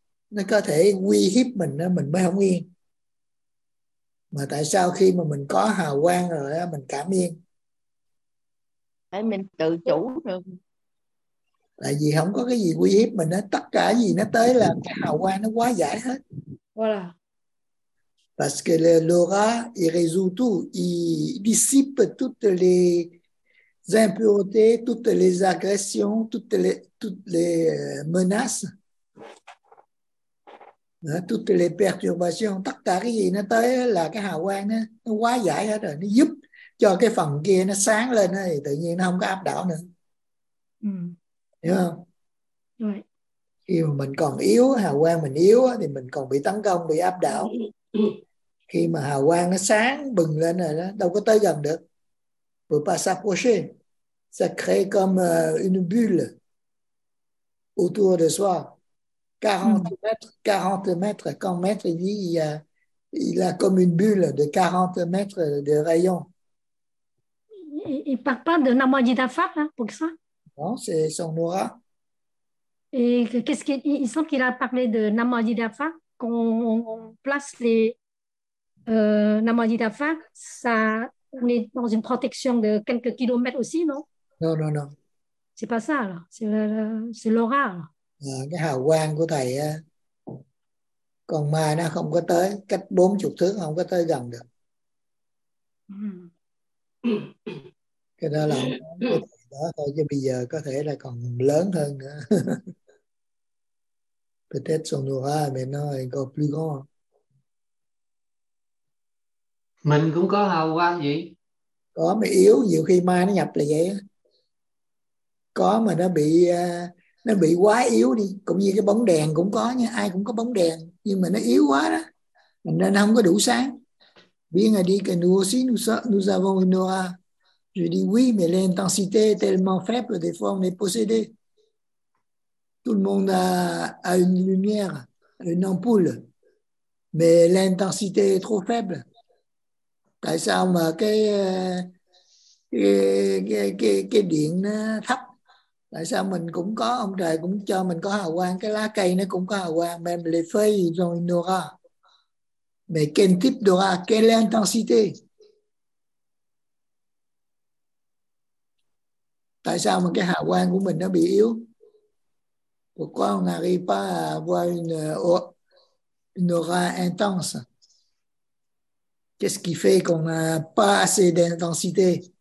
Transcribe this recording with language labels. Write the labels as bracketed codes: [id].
[vi] Nó có thể uy hiếp mình mới không yên. Mà tại sao khi mà mình có hào quang rồi mình cảm yên? Tại mình tự chủ được. Tại vì không có cái gì uy hiếp mình hết. Tất cả gì nó tới là hào quang nó quá giải hết. [fr] Voilà. Parce que l'aura, il résout tout, il dissipe toutes les impuretés, toutes les agressions, toutes les menaces, hein, toutes les perturbations. [vi] Tất cả cái gì nó tới là cái hào quang nó quá giải hết rồi, nó giúp cho cái phần kia nó sáng lên thì tự nhiên nó không có áp đảo nữa. Hiểu không? Khi mà mình còn yếu, hào quang mình yếu thì mình còn bị tấn công, bị áp đảo. Khi mà hào quang nó sáng bừng lên rồi đó, đâu có tới gần được. [fr] Peut pas s'approcher. Ça crée comme une bulle autour de soi. 40 mètres, quand maître dit, il a comme une bulle de 40 mètres de rayon. Il ne parle pas de Namadi Dafar, hein, pour ça. Non, c'est son aura. Et qu'est-ce qu'il semble qu'il a parlé de Namadi Dafar, qu'on place les. Namadita Fak, ça, on est dans une protection de quelques kilomètres aussi, non? Non, non, non. C'est pas ça, là. C'est l'aura. [vi] Cái hào quang của thầy, còn mai nó không có tới, cách 40 thước không có tới gần được. Cái đó là không có thể đó thôi, chứ bây giờ có thể là còn lớn hơn nữa. [fr] Peut-être son aura maintenant est encore plus grand. [vi] Mình cũng có hào quang vậy. Có mà yếu, nhiều khi ma nó nhập là vậy á. Có mà nó bị quá yếu đi, cũng như cái bóng đèn cũng có nha, ai cũng có bóng đèn nhưng mà nó yếu quá đó. Nên nó không có đủ sáng. [fr] Bien a dit que nous aussi nous avons une aura. Je dis oui, mais l'intensité est tellement faible des fois on est possédé. Tout le monde a une lumière, une ampoule, mais l'intensité est trop faible. [vi] Tại sao mà cái điện nó thấp? Tại sao mình cũng có, ông trời cũng cho mình có hào quang, cái lá cây nó cũng có hào quang, [fr] même les feuilles ont une aura. Mais quel type d'aura, quelle intensité? [vi] Tại sao mà cái hào quang của mình nó bị yếu? [fr] Pourquoi on n'arrive pas à avoir une aura intense? Qu'est-ce qui fait qu'on n'a pas assez d'intensité?